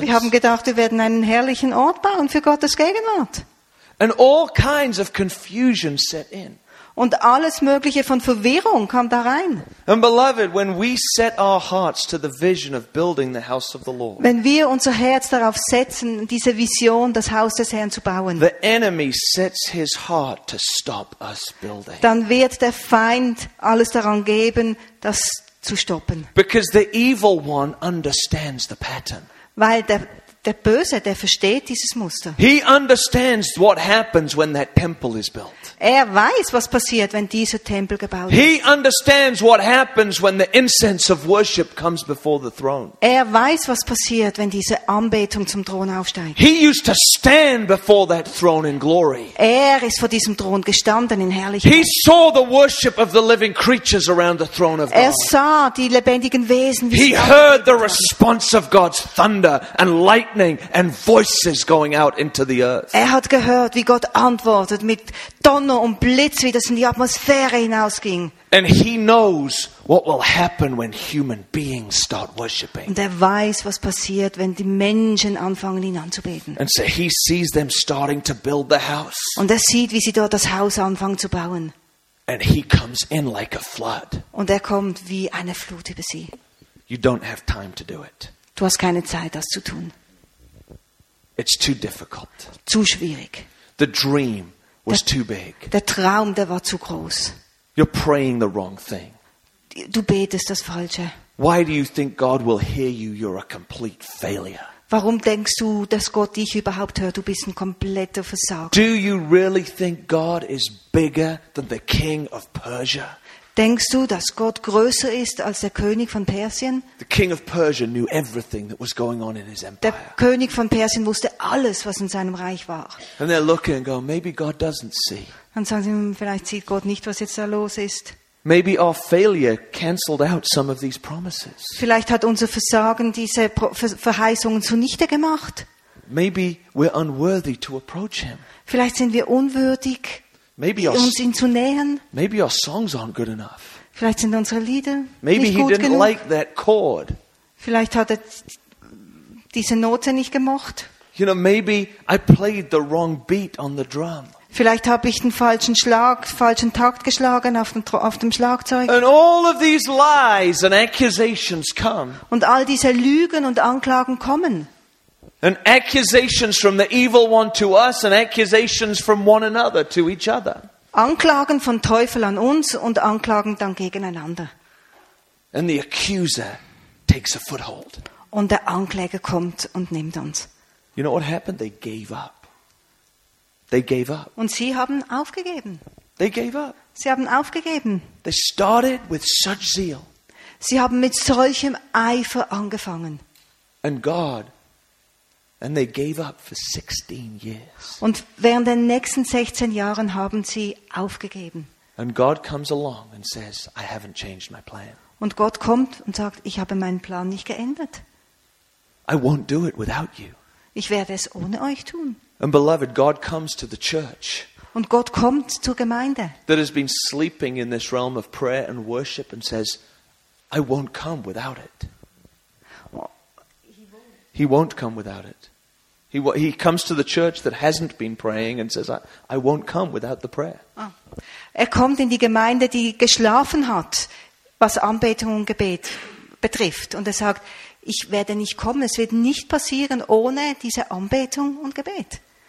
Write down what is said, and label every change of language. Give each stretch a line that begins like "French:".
German: Wir haben gedacht, wir werden einen herrlichen Ort bauen für Gottes Gegenwart.
English: And all kinds of confusion set in.
German: Und alles Mögliche von Verwirrung kam da rein.
English: And beloved, when we set our hearts to the vision of building the house of the Lord.
German: Wenn wir unser Herz darauf setzen, diese Vision, das Haus des Herrn zu bauen.
English: The enemy sets his heart to stop us building.
German: Dann wird der Feind alles daran geben, dass zu stoppen.
English: Because the evil one understands the pattern.
German: Weil der Böse, der versteht dieses Muster.
English: He understands what happens when that temple is built.
German: Er weiß, was passiert, wenn dieser Tempel gebaut ist.
English: He understands what happens when the incense of worship comes before the throne.
German: Er weiß, was passiert, wenn diese Anbetung zum Thron aufsteigt.
English: He used to stand before that throne in glory.
German: Er ist vor diesem Thron gestanden in Herrlichkeit.
English: He saw the worship of the living creatures around the throne of God.
German: Er sah die lebendigen Wesen, wie sie
English: He heard the response of God's thunder and lightning and voices going out into the earth.
German: Er hat gehört, wie Gott antwortet mit und Blitz, wie das in die Atmosphäre hinausging.
English: And he knows what will happen when human beings start worshiping.
German: Und er weiß, was passiert, wenn die Menschen anfangen, ihn anzubeten.
English: And so he sees them starting to build the house.
German: Und er sieht, wie sie dort das Haus anfangen zu bauen.
English: And he comes in like a flood.
German: Und er kommt wie eine Flut über sie.
English: You don't have time to do it.
German: Du hast keine Zeit, das zu tun.
English: It's too difficult.
German: Zu schwierig.
English: The dream was too big.
German: Der Traum, der war zu groß.
English: You're praying the wrong thing.
German: Du betest das Falsche.
English: Why do you think God will hear you? You're a complete failure.
German: Warum denkst du, dass Gott dich überhaupt hört? Du bist ein kompletter Versager.
English: Do you really think God is bigger than the king of Persia?
German: Denkst du, dass Gott größer ist als der König von Persien?
English: The king of Persia knew everything that was going on in his empire.
German: Der König von Persien wusste alles, was in seinem Reich war.
English: And they're looking and go, maybe God doesn't see.
German: Dann sagen sie, vielleicht sieht Gott nicht, was jetzt da los ist.
English: Maybe our failure cancelled out some of these promises.
German: Vielleicht hat unser Versagen diese Verheißungen zunichte gemacht.
English: Maybe we're unworthy to approach him.
German: Vielleicht sind wir unwürdig, uns ihm zu nähern.
English: Maybe our songs aren't good enough.
German: Vielleicht sind unsere Lieder
English: maybe
German: nicht gut genug.
English: Maybe he didn't like that chord.
German: Vielleicht hat diese Note nicht gemocht.
English: You know, maybe I played the wrong beat on the drum.
German: Vielleicht habe ich den falschen Takt geschlagen auf dem Schlagzeug.
English: And all of these lies and accusations come.
German: Und all diese Lügen und Anklagen kommen.
English: And accusations from the evil one to us and accusations from one another to each other.
German: Anklagen von Teufel an uns und Anklagen dann gegeneinander.
English: And the accuser takes a foothold.
German: Und der Ankläger kommt und nimmt uns.
English: You know what happened? They gave up. They gave up.
German: Und sie haben aufgegeben.
English: They gave up.
German: Sie haben aufgegeben.
English: They started with such zeal.
German: Sie haben mit solchem Eifer angefangen.
English: And they gave up for 16 years.
German: Und während den nächsten 16 Jahren haben sie aufgegeben.
English: And God comes along and says, I haven't changed my plan.
German: Und Gott kommt und sagt, ich habe meinen Plan nicht geändert.
English: I won't do it without you.
German: Ich werde es ohne euch tun.
English: And beloved, God comes to the church.
German: Und Gott kommt zur Gemeinde.
English: That has been sleeping in this realm of prayer and worship and says, I won't come without it. He won't come without it. He comes to the church that hasn't been praying and says, I won't come without the prayer. Oh.
German: Er kommt in die Gemeinde, die geschlafen hat, was Anbetung und Gebet betrifft. Und er sagt, ich werde nicht kommen, es wird nicht passieren ohne diese Anbetung und Gebet.